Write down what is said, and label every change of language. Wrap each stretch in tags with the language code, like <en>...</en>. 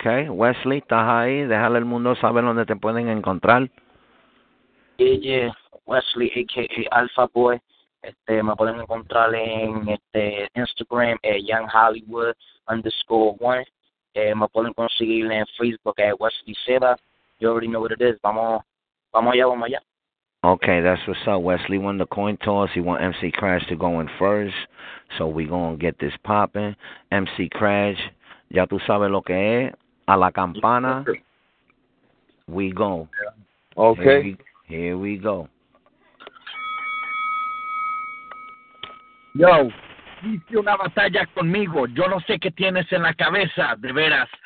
<es>Wesley, estás ahí, déjale al mundo saber dónde te pueden encontrar. Yeah, Wesley, a.k.a. Alpha Boy. Me pueden encontrar en Instagram, Young Hollywood underscore one. Me pueden conseguir en Facebook, Wesley Seba.</es> <en>You already know what it is.</en> <es>Vamos allá.</es> <en>Okay, that's what's up. Wesley won the coin toss. He want MC Kraj to go in first. So we going to get this popping.</en> <es>MC Kraj, ya tú sabes lo que es. A la campana.</es> <en>We go. Okay. Here we go.</en> <es>Yo, hice una batalla conmigo. Yo no sé qué tienes en la cabeza, de veras.</es>